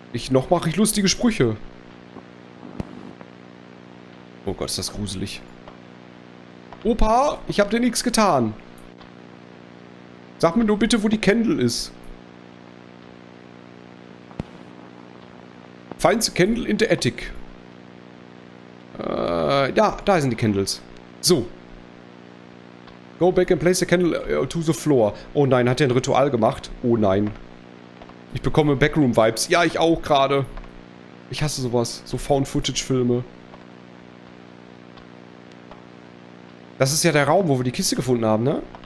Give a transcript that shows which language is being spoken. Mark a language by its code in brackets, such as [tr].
[de] Noch mache ich lustige Sprüche. Oh Gott, ist das gruselig. Opa, ich habe dir nichts getan. Sag mir nur bitte, wo die Candle ist. [en] Find the Candle in the Attic. [de] Da sind die Candles. So. [en] Go back and place the candle to the floor. [de] Oh nein, hat er ein Ritual gemacht? Oh nein. Ich bekomme Backroom-Vibes. Ja, ich auch gerade. Ich hasse sowas. So Found-Footage-Filme. Das ist ja der Raum, wo wir die Kiste gefunden haben, ne?